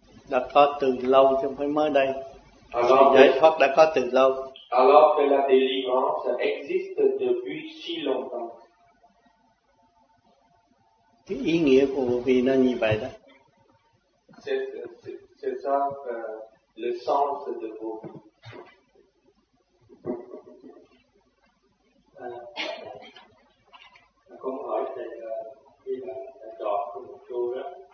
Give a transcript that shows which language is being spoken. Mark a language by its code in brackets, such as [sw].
[vi] Đã có từ lâu chứ không phải mới đây. Alors, giải thoát đã có từ lâu. [fr] Alors que la délivrance existe depuis si longtemps. [vi] Cái ý nghĩa của vô vi nó như vậy đó. [fr] C'est ça le sens de vô vi. [vi] Không hỏi thầy khi mà chọn cái mục tiêu đó.